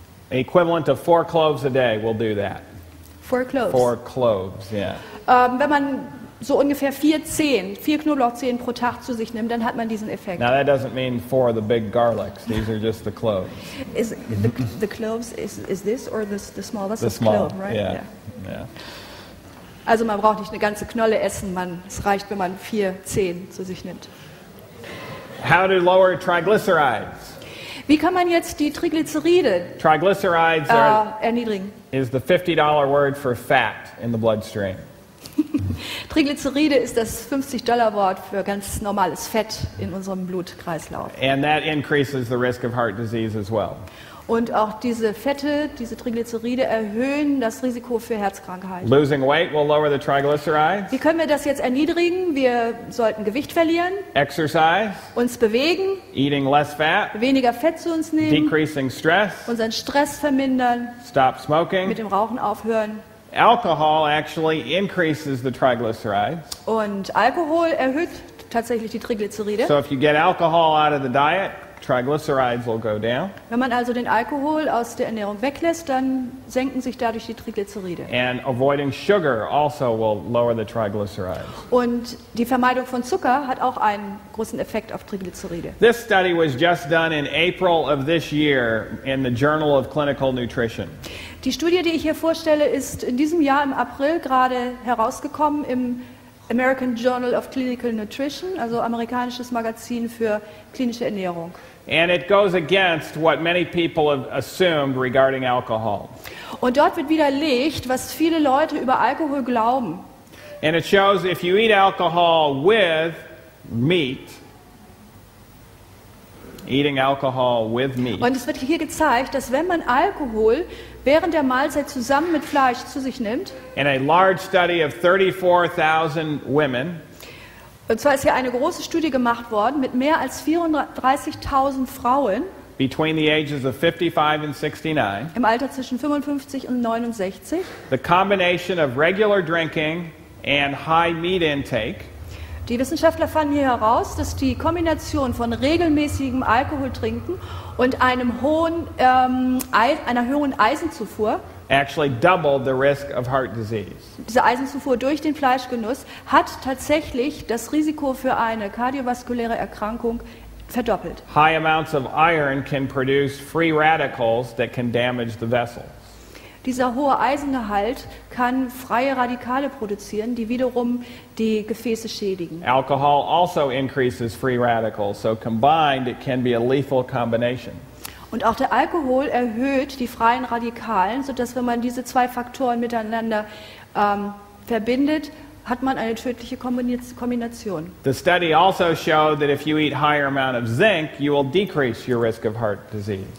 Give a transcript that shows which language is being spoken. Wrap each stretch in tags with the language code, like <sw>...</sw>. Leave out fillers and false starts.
<en>Equivalent of 4 cloves a day will do that. 4 cloves. 4 cloves, yeah.</en> <de>Wenn man so ungefähr 4 Knoblauchzehen pro Tag zu sich nimmt, dann hat man diesen Effekt.</de> <en>Now that doesn't mean 4 of the big garlics. These are just the cloves. Is the cloves, is this or the small? That's the small clove, right? Yeah.</en> <de>Also man braucht nicht eine ganze Knolle essen. Es reicht, wenn man 4 Zehen zu sich nimmt.</de> <en>How to lower triglycerides?</en> <de>Wie kann man jetzt die Triglyceride</de> <en>triglycerides are,</en> <de>erniedrigen?</de> <en>Is the $50 word for fat in the bloodstream.</en> <de>Triglyceride ist das $50 Wort für ganz normales Fett in unserem Blutkreislauf.</de> <en>And that increases the risk of heart disease as well.</en> <de>Und auch diese Fette, diese Triglyceride erhöhen das Risiko für Herzkrankheiten.</de> <en>Losing weight will lower the triglycerides.</en> <de>Wie können wir das jetzt erniedrigen? Wir sollten Gewicht verlieren.</de> <en>Exercise.</en> <de>Uns bewegen.</de> <en>Eating less fat.</en> <de>Weniger Fett zu uns nehmen.</de> <en>Decreasing stress.</en> <de>Unseren Stress vermindern.</de> <en>Stop smoking.</en> <de>Mit dem Rauchen aufhören.</de> <en>Alcohol actually increases the triglycerides.</en> <de>Und Alkohol erhöht tatsächlich die Triglyceride.</de> <en>So if you get alcohol out of the diet, triglycerides will go down.</en> <de>Wenn man also den Alkohol aus der Ernährung weglässt, dann senken sich dadurch die Triglyceride.</de> <en>And avoiding sugar also will lower the triglycerides.</en> <de>Und die Vermeidung von Zucker hat auch einen großen Effekt auf Triglyceride.</de> <en>This study was just done in April of this year in the Journal of Clinical Nutrition.</en> <de>Die Studie, die ich hier vorstelle, ist in diesem Jahr im April gerade herausgekommen im American Journal of Clinical Nutrition, also amerikanisches Magazin für klinische Ernährung.</de> <en>And it goes against what many people have assumed regarding alcohol.</en> <de>Und dort wird widerlegt, was viele Leute über Alkohol glauben.</de> <en>And it shows if you eat alcohol with meat, eating alcohol with meat.</en> <de>Und es wird hier gezeigt, dass wenn man Alkohol während der Mahlzeit zusammen mit Fleisch zu sich nimmt.</de> <en>In a large study of 34,000 women.</en> <de>Und zwar ist hier eine große Studie gemacht worden mit mehr als 34,000 Frauen.</de> <en>Between the ages of 55 and 69.</en> <de>Im Alter zwischen 55 und 69.</de> <en>The combination of regular drinking and high meat intake.</en> <de>Die Wissenschaftler fanden hier heraus, dass die Kombination von regelmäßigem Alkoholtrinken und einem hohen, einer höheren Eisenzufuhr</de> <en>actually doubled the risk of heart disease.</en> <de>Diese Eisenzufuhr durch den Fleischgenuss hat tatsächlich das Risiko für eine kardiovaskuläre Erkrankung verdoppelt.</de> <en>High amounts of iron can produce free radicals that can damage the vessels.</en> <de>Dieser hohe Eisengehalt kann freie Radikale produzieren, die wiederum die Gefäße schädigen.</de> <en>Alcohol also increases free radicals, so combined it can be a lethal combination.</en> <de>Und auch der Alkohol erhöht die freien Radikalen, sodass wenn man diese zwei Faktoren miteinander verbindet, hat man eine tödliche Kombination.</de> <en>The study also showed that if you eat higher amount of zinc, you will decrease your risk of heart disease.</en>